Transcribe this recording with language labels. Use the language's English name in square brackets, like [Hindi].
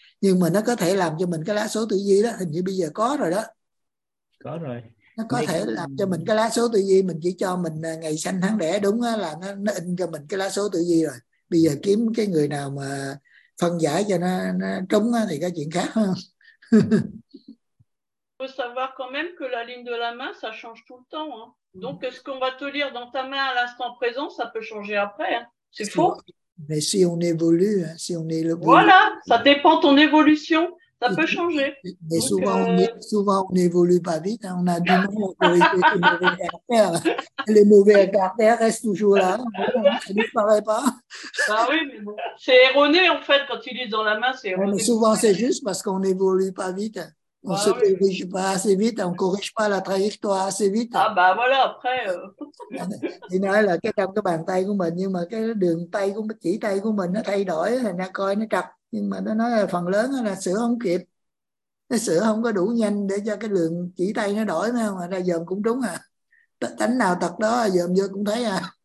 [Vietnamese] Nhưng mà nó có thể làm cho mình cái lá số tử vi đó, hình như bây giờ có rồi đó. Có rồi. Nó có thể làm cho mình cái lá số tử vi, mình chỉ cho mình ngày sinh tháng đẻ đúng là nó in cho mình cái lá số tử vi rồi. Bây giờ kiếm cái người nào mà phân giải cho nó trúng thì có chuyện khác hơn. [French] Faut savoir quand même que la ligne de la main ça change tout le temps hein. Donc ce qu'on va te lire dans ta main à l'instant présent, ça peut changer après hein. C'est faux. Mais si on évolue, hein, si on est le voilà, ça dépend ton évolution. ça peut changer. Mais souvent on n'évolue pas vite. Hein. On a du mal à corriger les mauvais caractères. Les mauvais caractères restent toujours là. Ça ne disparaît pas. Ah oui, mais bon. C'est erroné, en fait, quand ils lisent dans la main, c'est erroné. Ouais, mais souvent, c'est juste parce qu'on n'évolue pas vite. On ne se corrige pas assez vite, on ne corrige pas la trajectoire assez vite. Ah bah voilà, après... [Vietnamese] Il nói là, cái trong cái bàn tay của mình, nhưng mà cái đường tay, của chỉ tay của mình nó thay đổi, nó coi nó chập, nhưng mà nó nói là phần lớn là sửa không kịp. Nó sửa không có đủ nhanh để cho cái đường chỉ tay nó đổi, phải không? Ra dòm cũng đúng à. Tánh nào tật đó, dòm vô cũng thấy à.